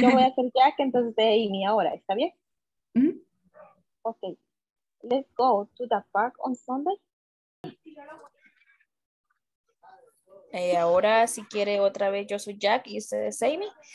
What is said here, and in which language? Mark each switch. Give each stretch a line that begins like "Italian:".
Spanish: Yo voy a ser Jack, entonces de Aileen ahora, ¿está bien? Mm-hmm.
English: Okay, let's go to the park on Sunday.
Spanish: Ahora, si quiere, otra vez, yo soy Jack y usted es Amy.